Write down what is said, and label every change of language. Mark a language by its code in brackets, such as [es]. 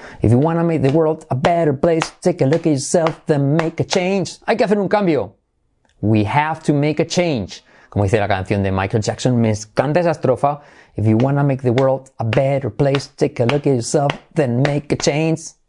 [en] If you want to make the world a better place, take a look at yourself, then make a change. [es] Hay que hacer un cambio. [en] We have to make a change. [es] Como dice la canción de Michael Jackson, me encanta esa estrofa. [en] If you want to make the world a better place, take a look at yourself, then make a change.